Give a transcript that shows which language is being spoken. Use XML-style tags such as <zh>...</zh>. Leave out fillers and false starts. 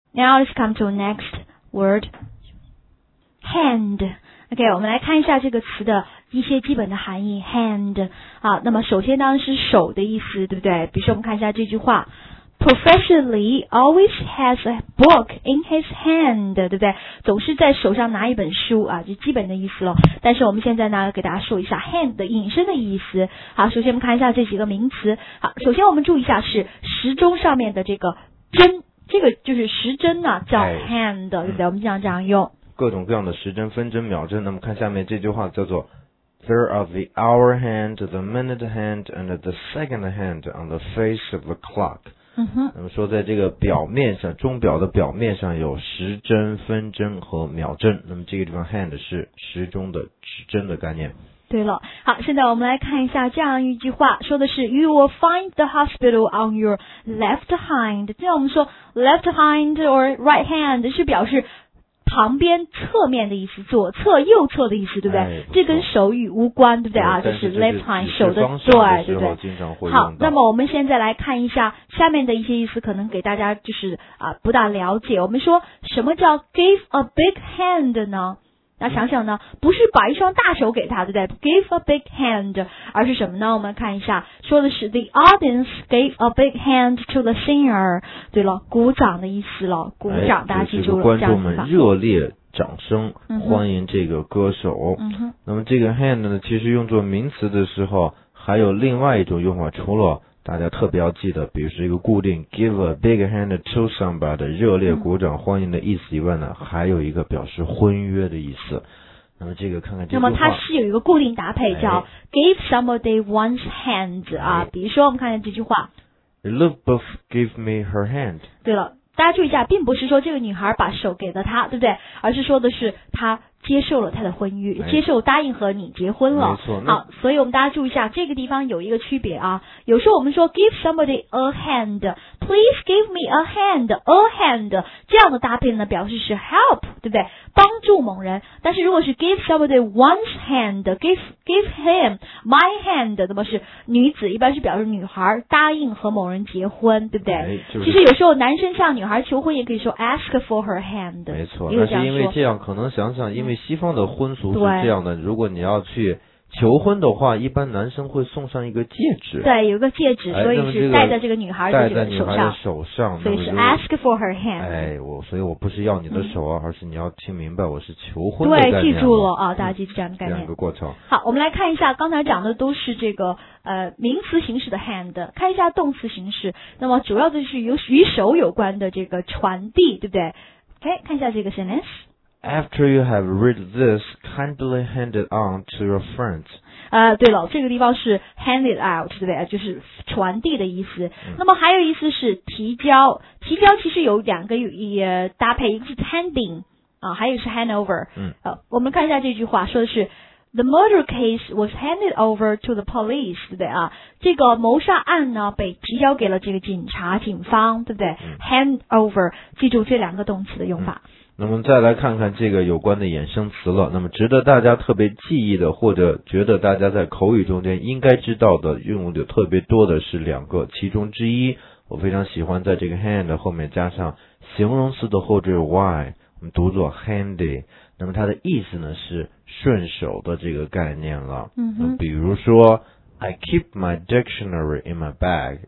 <en>Now let's come to next word, hand.</en> <zh>OK, 我们来看一下这个词的一些基本的含义 hand. 好，那么首先当然是手的意思，对不对？比如说我们看一下这句话。</zh> <en>Professionally always has a book in his hand, 对不对？</en> <zh>总是在手上拿一本书啊，就基本的意思咯。但是我们现在呢给大家说一下 hand 的引申的意思。好，首先我们看一下这几个名词。好，首先我们注意一下是时钟上面的这个针，这个就是时针呢、啊、叫 hand, 对不对、我们经常这样用。</zh> <en>各种各样的时针、分针、秒针，那么看下面这句话叫做 There are the hour hand, the minute hand, and the second hand on the face of the clock.</en> <zh>那么说在这个表面上，钟表的表面上有时针、分针和秒针，那么这个地方 hand 是时钟的指针的概念。对了，好，现在我们来看一下这样一句话，说的是 You will find the hospital on your left hand。现在我们说 left hand or right hand 是表示旁边侧面的意思，左侧、右侧的意思，对不对？哎、不这跟手语无关，对不对啊？就是 left hand 手的对，对不对？经常会用到。好，那么我们现在来看一下下面的一些意思，可能给大家就是啊不大了解。我们说什么叫 give a big hand 呢？那想想呢，不是把一双大手给他，对不对 ？ Give a big hand，而是什么呢？我们看一下，说的是 the audience gave a big hand to the singer。对了，鼓掌的意思了，鼓掌，哎、大家记住了。这个、观众们热烈掌声欢迎这个歌手。嗯哼。那么这个 hand 呢，其实用作名词的时候，还有另外一种用法，除了大家特别要记得，比如说一个固定 give a big hand to somebody 热烈鼓掌欢迎的意思以外呢，还有一个表示婚约的意思。那么这个看看这句话，那么它是有一个固定搭配叫、哎、</zh> <en>give somebody one's hand 啊、</en> <zh>哎。比如说我们看看这句话</zh> <en>Elizabeth gave me her hand。</en> <zh>对了，大家注意一下，并不是说这个女孩把手给了她，对不对？而是说的是她接受了她的婚约、哎、接受答应和你结婚了。没错。好，所以我们大家注意一下，这个地方有一个区别啊。</zh> <en>有时候我们说 give somebody a hand, please give me a hand, 这样的搭配呢表示是 help, 对不对？</en> <zh>帮助某人。但是如果是 give somebody one's hand, give him my hand, 那么是女子，一般是表示女孩答应和某人结婚，对不对、哎就是、其实有时候男生向女孩求婚也可以说 ask for her hand。没错，但是因为这样可能想想因为西方的婚俗是这样的，如果你要去求婚的话，一般男生会送上一个戒指。对，有个戒指，所以是戴在这个女孩的手上。戴在女孩的手上，所以是 ask for her hand。哎，所以我不是要你的手啊，而是你要听明白我是求婚的概念。对，记住了啊，大家记住这样的概念。两个过程。好，我们来看一下，刚才讲的都是这个名词形式的 hand， 看一下动词形式。那么主要的是与手有关的这个传递，对不对？ OK， 看一下这个 sentence。</zh> <en>After you have read this, kindly hand it on to your friends.</en> <zh>对了，这个地方是 hand it out，对不对？就是传递的意思。嗯、那么还有意思是提交，提交其实有两个搭配，一个是 handing 啊，还有是 handover。嗯。我们看一下这句话，说的是 the murder case was handed over to the police，对不对啊？这个谋杀案呢被提交给了这个警察、警方，对不对、嗯、？Handover， 记住这两个动词的用法。嗯，那么再来看看这个有关的衍生词了。那么值得大家特别记忆的，或者觉得大家在口语中间应该知道的，用的特别多的是两个，其中之一我非常喜欢，在这个 hand 后面加上形容词的后缀 y， 我们读作 handy。那么它的意思呢是顺手的这个概念了。嗯哼，</zh> <en>比如说 I keep my dictionary in my bag.</en>